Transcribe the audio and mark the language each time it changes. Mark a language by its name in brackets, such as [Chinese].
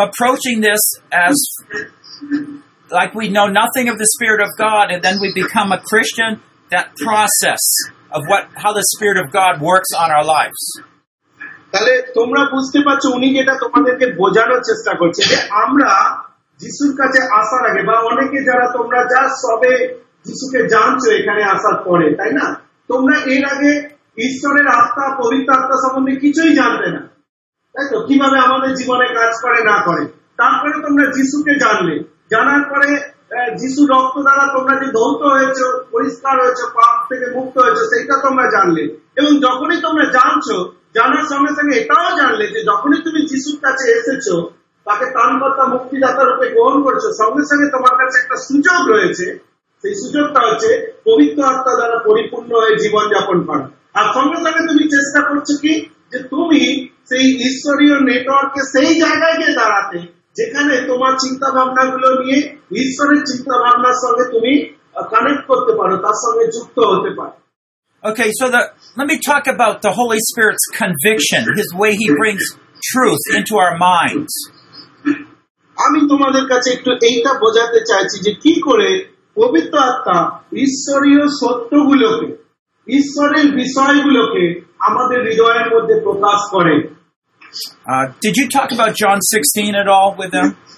[English] approaching this as like we know nothing of the Spirit of God, and then we become a Christian. That process of what, how the Spirit of God works on our lives. [Bangla] তাহলে তোমরা বুঝতে পারছো উনি যেটা তোমাদেরকে বোঝানোর চেষ্টা করছে, যে আমরা যিশুর কাছে আসার আগে, বা অনেকে যারা তোমরা যা সবে যিশুকে জানছো এখানে আসার পরে, তাই না, তোমরা এর আগে ঈশ্বরের আত্মা পবিত্র আত্মা সম্বন্ধে কিছুই জানতে না, তাই তো, কিভাবে আমাদের জীবনে কাজ করে না করে। তারপরে তোমরা যিশুকে জানলে, জানার পরে যিশুর রক্ত দ্বারা তোমরা যে ধৌত হয়েছো, পরিষ্কার হয়েছো, পাপ থেকে মুক্ত হয়েছো, সেইটা তোমরা জানলে, এবং যখনই তোমরা জানছো, জানার সঙ্গে সঙ্গে এটাও জানলে যে যখনই তুমি যিশুর কাছে এসেছো, তাকে ত্রাণকর্তা মুক্তিদাতা রূপে গ্রহণ করছো, সঙ্গে সঙ্গে তোমার কাছে একটা সুযোগ রয়েছে, সেই সুযোগটা হচ্ছে পবিত্র আত্মা দ্বারা পরিপূর্ণ হয়ে জীবনযাপন করা। আর সঙ্গে সঙ্গে তুমি চেষ্টা করছো কি, যে তুমি সেই ঈশ্বরীয় নেটওয়ার্কে সেই জায়গায় গিয়ে দাঁড়াতে যেখানে তোমার চিন্তা ভাবনা গুলো নিয়ে ঈশ্বরের চিন্তা ভাবনার সঙ্গে তুমি কানেক্ট করতে পারো, তার সঙ্গে যুক্ত হতে পারো। [English] Okay, so let me talk about the Holy Spirit's conviction, his way he brings truth into our minds. [Bangla] আমি তোমাদের কাছে একটু এইটা বোঝাতে চাইছি যে কি করে পবিত্র আত্মা ঈশ্বরীয় সত্যগুলোকে, ঈশ্বরের বিষয়গুলোকে আমাদের হৃদয়ের মধ্যে প্রকাশ করে। [English] Did you talk about John 16 at all with them?